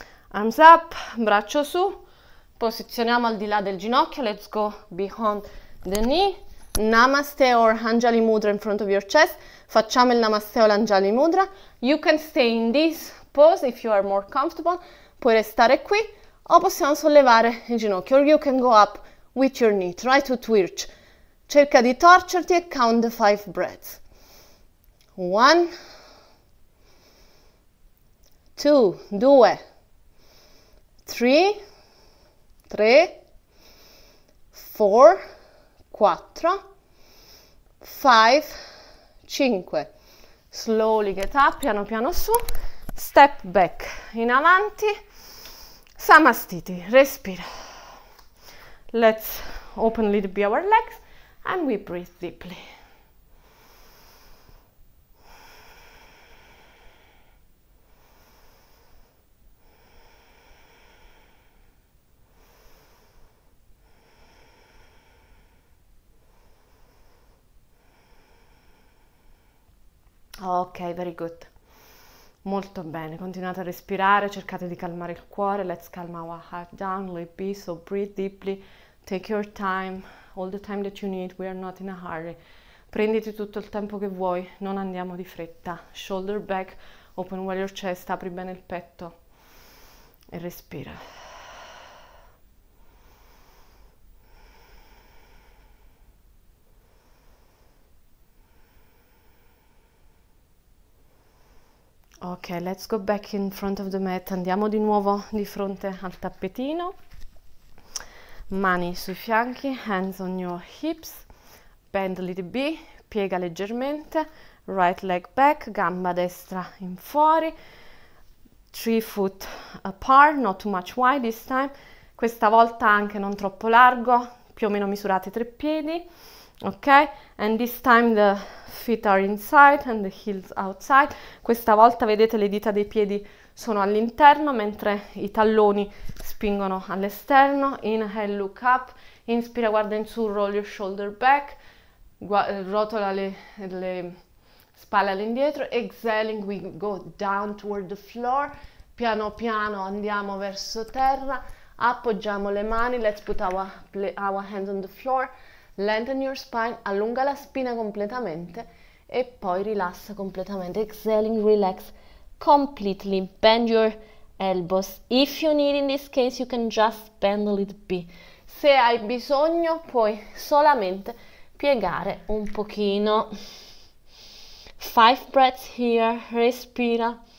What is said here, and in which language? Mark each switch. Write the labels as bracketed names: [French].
[English] Arms up, [Italian] braccio su. Posizioniamo al di là del ginocchio, [English] let's go behind the knee. Namaste or Anjali Mudra in front of your chest. [Italian] Facciamo il Namaste o l'Anjali Mudra. [English] You can stay in this pose if you are more comfortable. [Italian] Puoi restare qui o possiamo sollevare il ginocchio. [English] Or you can go up with your knee. Try to twitch. [Italian] Cerca di torcerti e [English] count the 5 breaths. 1, 2, 2, 3, 4, 4. 5, 5, slowly get up, [Italian] piano piano su, [English] step back, [Italian] in avanti, [English] Samastiti, [Italian] respira. [English] Let's open a little bit our legs and we breathe deeply. Ok, very good. [Italian] Molto bene, continuate a respirare, cercate di calmare il cuore. [English] Let's calm our heart down, let it be. So breathe deeply, take your time, all the time that you need, we are not in a hurry. [Italian] Prenditi tutto il tempo che vuoi, non andiamo di fretta. [English] Shoulder back, open well your chest, [Italian] apri bene il petto e respira. [English] Ok, let's go back in front of the mat. [Italian] Andiamo di nuovo di fronte al tappetino. Mani sui fianchi, [English] hands on your hips. Bend a little bit, [Italian] piega leggermente. [English] Right leg back, [Italian] gamba destra in fuori. [English] 3 foot apart, not too much wide this time. [Italian] Questa volta anche non troppo largo, più o meno misurate 3 piedi. [English] Ok, and this time the feet are inside and the heels outside. [Italian] Questa volta vedete le dita dei piedi sono all'interno mentre i talloni spingono all'esterno. [English] Inhale, look up. [Italian] Inspira, guarda in su, [English] roll your shoulder back. [Italian] Rotola le spalle all'indietro. [English] Exhaling, we go down toward the floor. [Italian] Piano piano andiamo verso terra. Appoggiamo le mani. [English] Let's put our hands on the floor. Lengthen your spine, [Italian] allunga la spina completamente e poi rilassa completamente. [English] Exhaling, relax completely. Bend your elbows. If you need, in this case, you can just bend a little bit. [Italian] Se hai bisogno, puoi solamente piegare un pochino. [English] 5 breaths here, [Italian] respira.